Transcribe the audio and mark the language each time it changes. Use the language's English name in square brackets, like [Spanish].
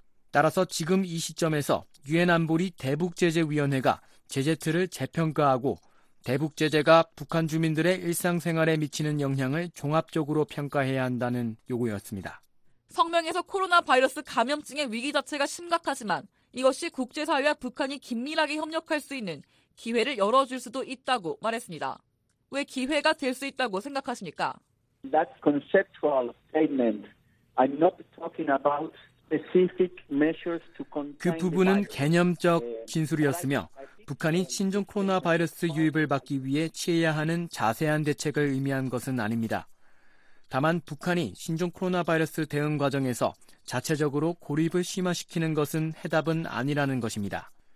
[Korean] 따라서 지금 이 시점에서 유엔 안보리 대북 제재 위원회가 제재 틀을 재평가하고 대북 제재가 북한 주민들의 일상생활에 미치는 영향을 종합적으로 평가해야 한다는 요구였습니다. 성명에서 코로나 바이러스 감염증의 위기 자체가 심각하지만 이것이 국제사회와 북한이 긴밀하게 협력할 수 있는 기회를 열어줄 수도 있다고 말했습니다. 왜 기회가 될 수 있다고 생각하십니까? [English] That's conceptual statement. I'm not talking about specific measures to contain. [Korean] 그 부분은 개념적 진술이었으며 북한이 신종 코로나 바이러스 유입을 막기 위해 취해야 하는 자세한 대책을 의미한 것은 아닙니다. 다만 북한이 신종 코로나 바이러스 대응 과정에서 자체적으로 고립을 심화시키는 것은 해답은 아니라는 것입니다.